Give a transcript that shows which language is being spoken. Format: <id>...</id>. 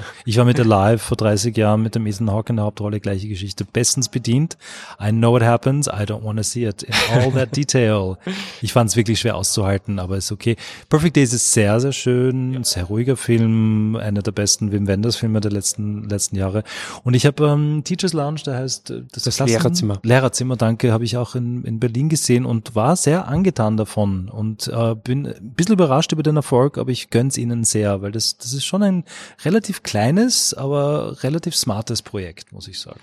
<de>Ich war mit Alive vor 30 Jahren mit dem Ethan Hawke in der Hauptrolle, gleiche Geschichte, bestens bedient.</de> <en>I know what happens, I don't want to see it in all that detail.</en> <de>Ich fand es wirklich schwer auszuhalten, aber ist okay. Perfect Days ist sehr, sehr schön, ein sehr ruhiger Film, einer der besten Wim Wenders Filme der letzten Jahre. Und ich habe Teacher's Lounge, der heißt das Klassen- Lehrerzimmer. Lehrerzimmer, danke, habe ich auch in Berlin gesehen und war sehr angetan davon und bin ein bisschen überrascht über den Erfolg, aber ich gönn's ihnen sehr, weil das ist schon ein relativ kleines, aber relativ smartes Projekt, muss ich sagen.</de>